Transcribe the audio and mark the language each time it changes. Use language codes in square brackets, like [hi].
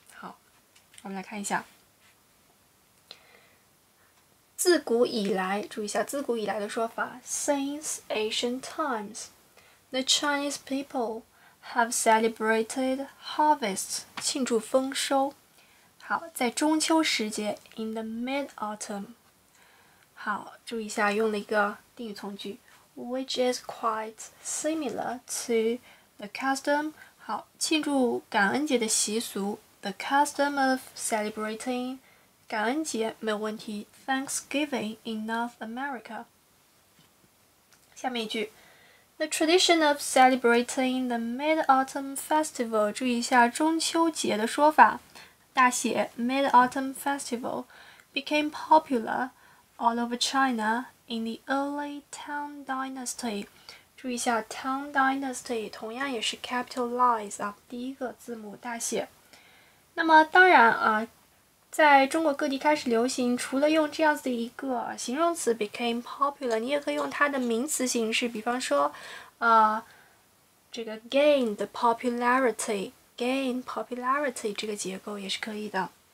[zh] 好，我们来看一下。自古以来，注意一下"自古以来"的说法， [en] since ancient times, the Chinese people have celebrated harvest， [zh] 庆祝丰收。好，在中秋时节， [en] in the mid autumn。 [zh] 好，注意一下，用了一个定语从句， [en] which is quite similar to the custom。 [zh] 好，庆祝感恩节的习俗， [en] the custom of celebrating。 [zh] 感恩节没有问题， [en] Thanksgiving in North America。下面一句，The tradition of celebrating the Mid-Autumn Festival， [zh] 注意一下中秋节的说法，大写 [en] Mid-Autumn Festival，became popular all over China in the early Tang Dynasty。 [zh] 注意一下 Tang Dynasty，同样也是 capitalize 啊，第一个字母大写。那么当然啊。在中国各地开始流行，除了用这样子的一个形容词 [en] became popular， [zh] 你也可以用它的名词形式，比方说，这个 [en] gain the popularity， gain popularity [zh] 这个结构也是可以的。